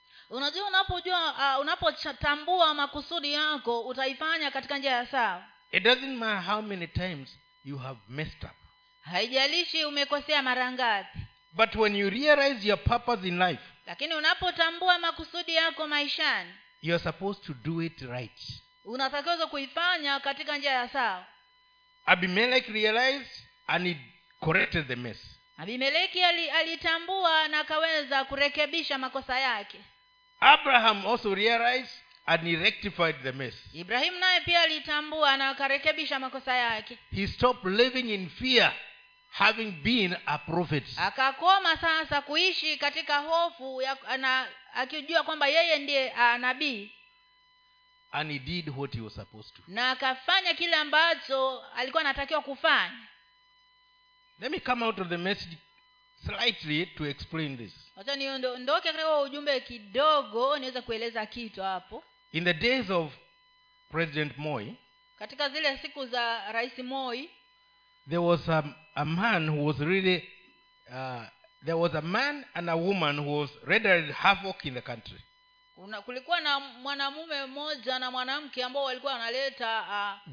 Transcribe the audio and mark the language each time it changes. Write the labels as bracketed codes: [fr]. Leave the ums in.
[sw] unajua unapojua uh, unapotambua makusudi yako utaifanya katika njia ya sawa [en] it doesn't matter how many times you have messed up [sw] haijalishi umekosea mara ngapi but [en] when you realize your purpose in life [sw] lakini unapotambua makusudi yako maishani [en] you are supposed to do it right [sw] unatakiwa kuifanya katika njia ya sawa [en] abimelek realized and he corrected the mess [sw] abimeleki alitambua na akaweza kurekebisha makosa yake [en] abraham also realized and he rectified the mess [sw] ibrahim naye pia alitambua na akarekebisha makosa yake [en] he stopped living in fear having been a prophet [sw] akakoma sasa kuishi katika hofu na akijua kwamba yeye ndiye nabii [en] and he did what he was supposed to [sw] na akafanya kile ambacho alikuwa anatakiwa kufanya [en] let me come out of the message slightly to explain this [sw] ndoke katika ujumbe kidogo niweze kueleza kitu hapo [en] in the days of president moi [sw] katika zile siku za rais moi [en] there was a, a man who was really uh, there was a man and a woman who was rendered havoc in the country [sw] kulikuwa na mwanamume mmoja na mwanamke ambao walikuwa wanaleta uh,